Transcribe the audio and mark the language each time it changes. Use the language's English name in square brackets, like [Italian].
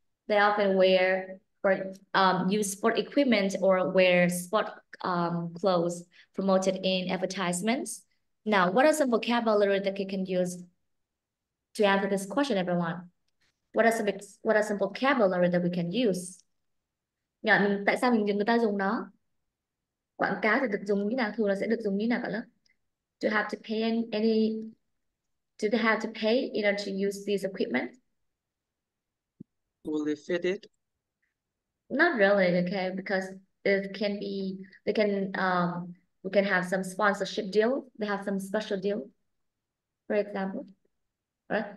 [English] They often wear or use sport equipment or wear sport clothes promoted in advertisements. Now, what are some vocabulary that you can use to answer this question, everyone? What are some vocabulary that we can use? [Vietnamese] Nhận tại sao mình người ta dùng nó? Quảng cáo thì được dùng như nào, thường là sẽ được dùng như nào cả lớp? [English] Do they have to pay any? Do they have to pay in order to use this equipment? Will they fit it? Not really, okay, because it can be they can We can have some sponsorship deal. They have some special deal, for example, right?